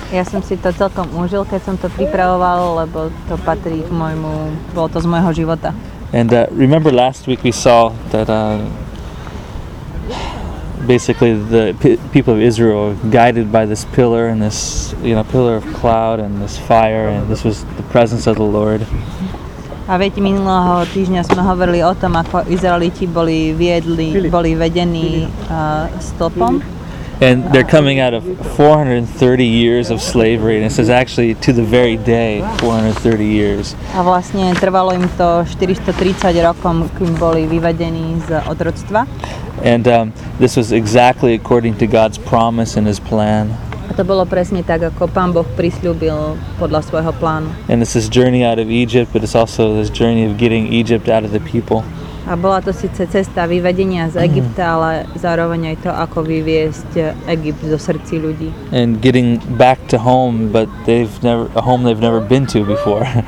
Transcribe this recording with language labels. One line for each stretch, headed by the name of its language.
Slovak: ja som si to celkom užil, keď som to pripravoval, lebo to patrí k môjmu, bolo to z môjho života.
English: And remember last week we saw that basically the people of Israel were guided by this pillar and this, you know, pillar of cloud and this fire, and this was the presence of the Lord.
Slovak: A viete, minulého týždňa sme hovorili o tom, ako Izraeliti boli viedli, boli vedení stopom.
English: And they're coming out of 430 years of slavery, and it says actually to the very day 430 years.
Slovak: A vlastne trvalo im to 430 rokom, kým boli vyvedení z otroctva.
English: And this was exactly according to God's promise and his plan.
Slovak: A to bolo presne tak, ako Pán Boh prisľúbil podľa svojho plánu.
English: And this is journey out of Egypt, but it's also this journey of getting Egypt out of the people.
Slovak: A bola to síce cesta vyvedenia z Egypta, ale zároveň aj to, ako vyviesť Egypt zo srdcí ľudí.
English: And getting back to home, but they've never a home they've never been to before.